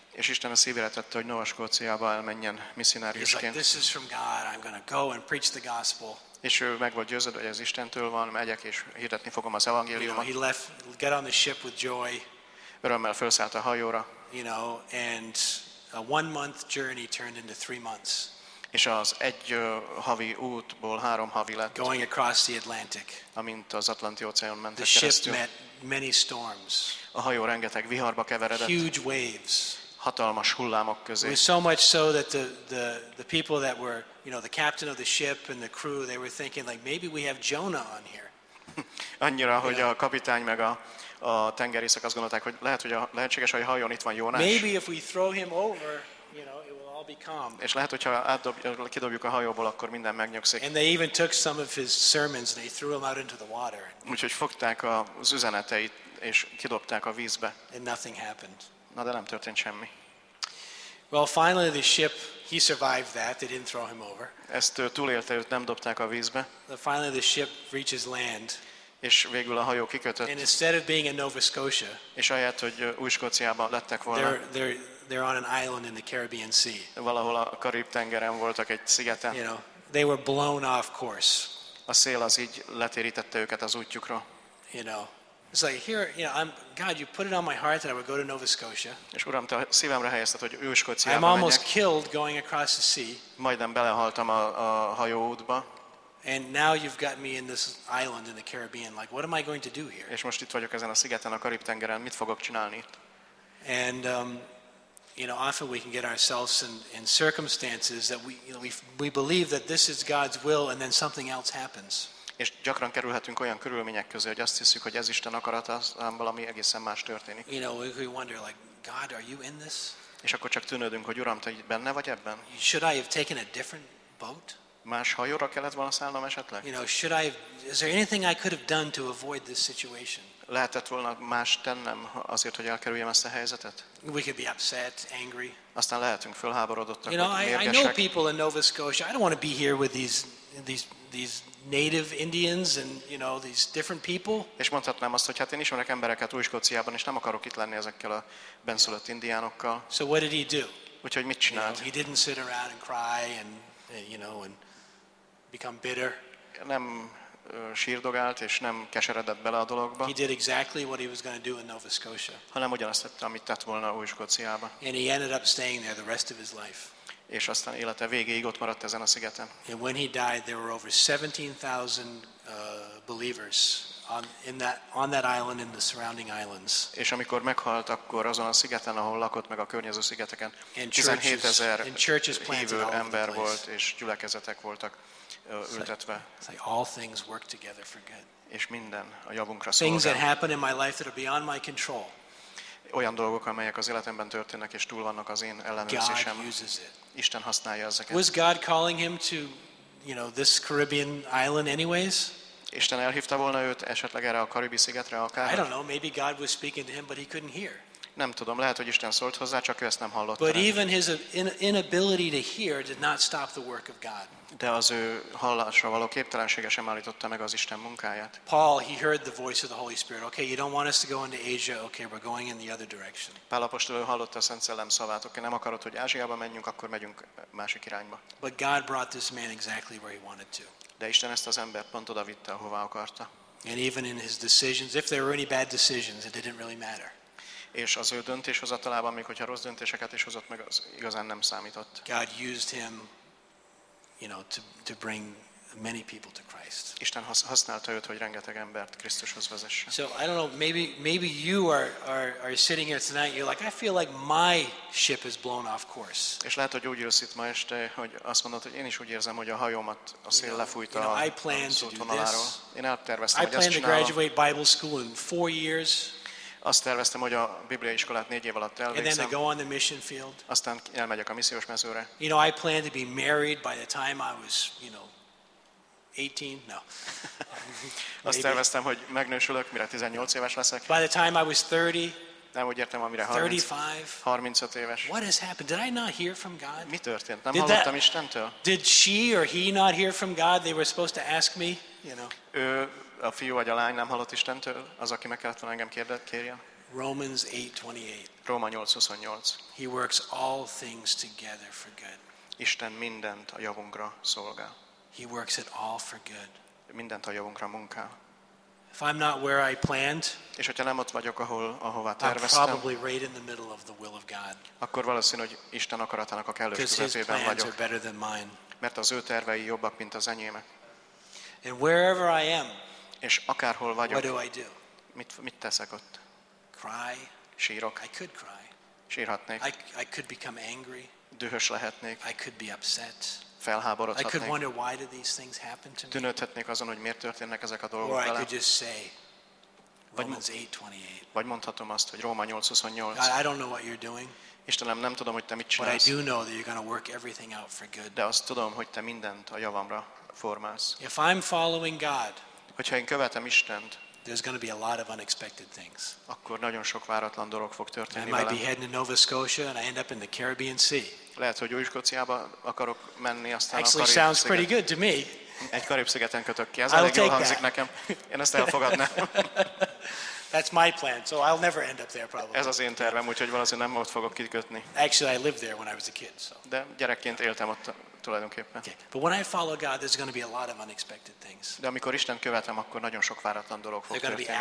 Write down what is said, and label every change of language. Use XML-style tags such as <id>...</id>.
<hu>És Isten a szívére tette, hogy Nova Scotiába elmenjen missionáriusként.</hu> <en>He's like, this is from God. I'm going to go and preach the gospel.</en> <hu>És ő meg volt győződve, hogy ez Istentől van, megyek és hirdetni fogom az evangéliumot.</hu> <en>He left, got on the ship with joy.</en> <hu>Örömmel felszállt a hajóra.</hu> <en>You know, and a one-month journey turned into 3 months.</en> <hu>És az egy havi útból 3 havi lett.</hu> <en>Going across the Atlantic.</en> <hu>Amint az Atlanti-óceánon mentek keresztül.</hu> <en>The ship met many storms.</en> <hu>A hajó rengeteg viharba keveredett.</hu> <en>Huge waves.</en> <hu>Hatalmas hullámok közé.</hu> <en>It was so much so that the people that were, you know, the captain of the ship and the crew, they were thinking like, maybe we have Jonah on here.</en> <hu>Annyira, yeah. Hogy a kapitány meg a tengerészek azt gondolták, hogy lehet, hogy a lehetséges, hogy a hajón itt van Jónás.</hu> <en>Maybe if we throw him over, you know, it will all be calm.</en> <hu>És lehet, hogyha kidobjuk a hajóból, akkor minden megnyugszik.</hu> <en>And they even took some of his sermons and they threw them out into the water.</en> <hu>Úgyhogy fogták az üzeneteit és kidobták a vízbe.</hu> <en>And nothing happened.</en> <hu>Na, de nem történt semmi.</hu> <en>Well, finally the ship, he survived that. They didn't throw him over.</en> <hu>Ezt túlélte, őt nem dobták a vízbe.</hu> <en>Finally the ship reaches land.</en> <hu>És végül a hajó kikötött.</hu> <en>And instead of being in Nova Scotia,</en> <hu>és ahelyett, hogy Új-Skóciában lettek volna,</hu> <en>they're on an island in the Caribbean Sea.</en> <hu>Valahol a Karib-tengeren voltak egy szigeten.</hu> <en>You know, they were blown off course.</en> <hu>A szél az így letérítette őket az útjukra.</hu> <en>You know, it's like here, you know, I'm God, you put it on my heart that I would go to Nova Scotia.</en> <hu>És Uram, te a szívemre helyezted, hogy Új-Skóciába menjek.</hu> <en>I'm almost killed going across the sea.</en> <hu>Majdnem belehaltam a hajó útba.</hu> <en>And now you've got me in this island in the Caribbean. Like, what am I going to do here?</en> <hu>És most itt vagyok ezen a szigeten, a Karib-tengeren. Mit fogok csinálni itt?</hu> <en>And you know, often we can get ourselves in circumstances that we, you know, we believe that this is God's will, and then something else happens.</en> <hu>És gyakran kerülhetünk olyan körülmények közé, hogy azt hiszük, hogy ez Isten akarata, aztán valami egészen más történik.</hu> <en>You know, we wonder, like, God, are you in this?</en> <hu>És akkor csak tűnődünk, hogy Uram, te benne vagy ebben?</hu> <en>Should I have taken a different boat?</en> <hu>Más hajóra kellett volna szállnom esetleg?</hu> <en>You know, should I have, is there anything I could have done to avoid this situation?</en> <hu>Lehetett volna más tennem azért, hogy elkerüljem ezt a helyzetet?</hu> <en>We could be upset, angry.</en> <hu>Aztán lehetünk fölháborodottak,</hu> <en>you know,</en> <hu>mérgesek.</hu> <en>I know people in Nova Scotia. I don't want to be here with these native Indians and, you know, these different people.</en> <hu>És mondhatnám azt, hogy hát én ismerek embereket Új-Skóciában, és nem akarok itt lenni ezekkel a benszülött indiánokkal.</hu> <en>So what did he do?</en> <hu>Úgyhogy mit csinált?</hu> <en>You know, he didn't sit around and cry and, you know, and become bitter.</en> <hu>Nem sírdogált és nem keseredett bele a dologba.</hu> <en>He did exactly what he was going to do in Nova Scotia.</en> <hu>Hanem ugyanazt tette, amit tett volna Új-Skóciában.</hu> <en>And he ended up staying there the rest of his life.</en> <hu>És aztán élete végéig ott maradt ezen a szigeten.</hu> <en>And when he died, there were over 17,000 believers on that island and the surrounding islands.</en> <hu>És amikor meghalt, akkor azon a szigeten, ahol lakott, meg a környező szigeteken 17,000 hívő ember volt, és gyülekezetek voltak ültetve.</hu> <en>It's like all things work together for good.</en> <hu>És minden a javunkra szolgál.</hu> <en>Things that happen in my life that are beyond my control.</en> <hu>Olyan dolgok, amelyek az életemben történnek és túl vannak az én ellenőrzésem. Isten használja ezeket.</hu> <en>Was God calling him to, you know, this Caribbean island anyways?</en> <hu>Isten elhívta volna őt esetleg erre a Karib-szigetre akár?</hu> <en>I don't know, maybe God was speaking to him but he couldn't hear.</en> <hu>Nem tudom, lehet, hogy Isten szólt hozzá, csak ő ezt nem hallotta.</hu> <en>But even his inability to hear did not stop the work of God.</en> <hu>De az ő hallásra való képtelensége sem állította meg az Isten munkáját.</hu> <en>Paul, he heard the voice of the Holy Spirit. Okay, you don't want us to go into Asia. Okay, we're going in the other direction.</en> <hu>Pál apostol hallotta a Szent Szellem szavát. Okay, nem akarod, hogy Ázsiába menjünk, akkor megyünk másik irányba.</hu> <en>But God brought this man exactly where he wanted to.</en> <hu>De Isten ezt az embert pont oda vitte, ahová akarta.</hu> <en>And even in his decisions, if there were any bad decisions, it didn't really matter.</en> <hu>És az ő döntéshozatalában, még hogyha rossz döntéseket is hozott meg, az igazán nem számított.</hu> <en>God used him, you know, to bring many people to Christ.</en> <hu>Isten használta őt, hogy rengeteg embert Krisztushoz vezesse.</hu> <en>So I don't know, maybe you are sitting here tonight, you're like, I feel like my ship is blown off course.</en> <hu>És lehet, hogy úgy ülsz itt ma este, hogy azt mondod, hogy én is úgy érzem, hogy a hajómat a szél lefújta a szótvonaláról. Én elterveztem, hogy ezt csinálom.</hu> <en>I plan to graduate Bible school in 4 years.</en> <hu>Azt terveztem, hogy a Biblia iskolát 4 év alatt elvégzem. Aztán elmegyek a missziós mezőre.</hu> <en>You know, I planned to be married by the time I was, you know, 18, no.</en> <hu>Azt terveztem, hogy megnősülök, mire 18 éves leszek.</hu> <en>By the time I was 30,</en> <hu>nem úgy értem, amire 35 éves.</hu> <en>What has happened? Did I not hear from God?</en> <hu>Mi történt? Nem hallottam Istentől?</hu> <en>Did she or he not hear from God? They were supposed to ask me, you know.</en> <hu>Ő, a fiú vagy a lány nem hallott Istentől, az, aki meg kellett volna engem kérjen.</hu> <en>Romans 8:28.</en> <hu>Róma 8:28.</hu> <en>He works all things together for good.</en> <hu>Isten mindent a javunkra szolgál.</hu> <en>He works it all for good.</en> <hu>Mindent a javunkra munkál.</hu> <en>If I'm not where I planned,</en> <hu>és hogyha nem ott vagyok, ahová terveztem,</hu> <en>I'm probably right in the middle of the will of God.</en> <hu>Akkor valószínű, hogy Isten akaratának a kellős közepében vagyok.</hu> <en>Are better than mine.</en> <hu>Mert az ő tervei jobbak, mint az enyémek.</hu> <en>And wherever I am,</en> <hu>és akárhol vagyok,</hu> <en>what do I do?</en> <hu>Mit teszek ott?</hu> <en>Cry.</en> <hu>Sírok.</hu> <en>I could cry.</en> <hu>Sírhatnék.</hu> <en>I could become angry.</en> <hu>Dühös lehetnék.</hu> <en>I could be upset.</en> <hu>Felháborodhatnék.</hu> <en>I could wonder why do these things happen to me.</en> <hu>Tűnődhetnék azon, hogy miért történnek ezek a dolgok velem.</hu> <en>Or I could just say, Romans 8:28.</en> <hu>Vagy mondhatom azt, hogy Róma 8:28.</hu> <en>God, I don't know what you're doing.</en> <hu>Istenem, nem tudom, hogy te mit csinálsz.</hu> <en>But I do know that you're going to work everything out for good.</en> <hu>De azt tudom, hogy te mindent a javamra formálsz.</hu> <en>If I'm following God,</en> <hu>hogyha én követem Istent,</hu> <en>there's going to be a lot of unexpected things.</en> <hu>Akkor nagyon sok váratlan dolog fog történni velem.</hu> <en>I might be heading to Nova Scotia and I end up in the Caribbean Sea.</en> <hu>Lehet, hogy Új-Skóciába akarok menni, aztán a Karib-szigeten.</hu> <en>Actually sounds pretty good to me.</en> <hu>Egy Karib-szigeten kötök ki. Ez elég jól hangzik nekem. Én ezt elfogadnám.</hu> <en>That's my plan, so I'll never end up there probably.</en> <hu>Ez az én tervem, úgyhogy valószínűleg nem ott fogok kikötni.</hu> <en>Actually, I lived there when I was a kid, so.</en> <hu>De gyerekként éltem ott tulajdonképpen.</hu> <en>Okay. But when I follow God, there's going to be a lot of unexpected things.</en> <hu>De amikor Isten követem, akkor nagyon sok váratlan dolog fog történni.</hu>